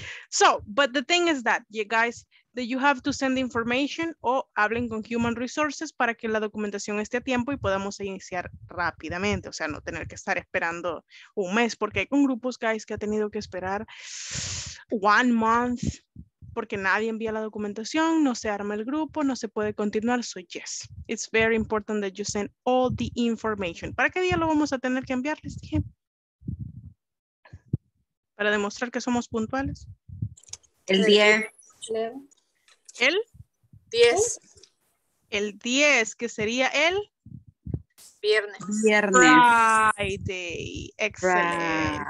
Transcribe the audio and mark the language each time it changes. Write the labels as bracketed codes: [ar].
[en] So, but the thing is that, you guys, that you have to send information [es] o hablen con Human Resources para que la documentación esté a tiempo y podamos iniciar rápidamente. O sea, no tener que estar esperando un mes, porque hay con grupos, guys, que ha tenido que esperar [en] one month [es] porque nadie envía la documentación, no se arma el grupo, no se puede continuar. [en] So, yes, it's very important that you send all the information. [es] ¿Para qué día lo vamos a tener que enviar? Les dije. Para demostrar que somos puntuales. El 10. ¿El? 10. El 10, que sería el? Viernes. [en] Friday. Excelente.